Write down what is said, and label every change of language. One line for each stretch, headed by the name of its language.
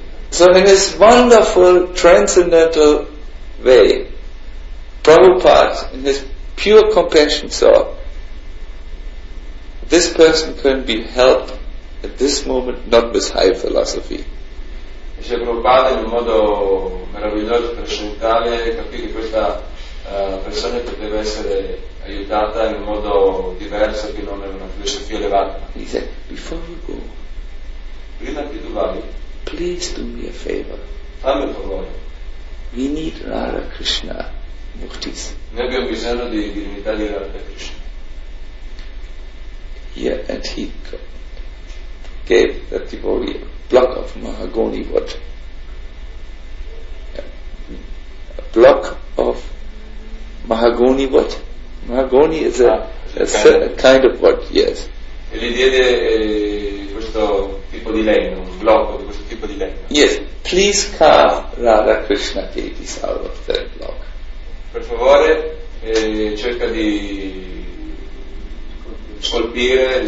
English: So in his wonderful transcendental way, Prabhupada, in his pure compassion, saw this person couldn't be helped at this moment, not with high philosophy.
Italian: Si è provato in un modo meraviglioso, trascendentale, capire questa persona che deve essere aiutata in modo diverso, che non è una filosofia elevata.
English: He said, before you go,
Italian: prima che tu vai,
English: please do me a favor.
Italian: Fammi un favore.
English: We need Radha Krishna Muktis.
Italian: Noi abbiamo bisogno di divinità di Radha Krishna.
English: Yeah, and he gave the devotee a block of mahogany wood. Mahogany is a kind of wood, yes.
Italian: E gli diede questo tipo di legno, un blocco di questo tipo di legno.
English: Yes, please carve Radha Krishna deities out of that block.
Italian: Per favore, cerca di scolpire.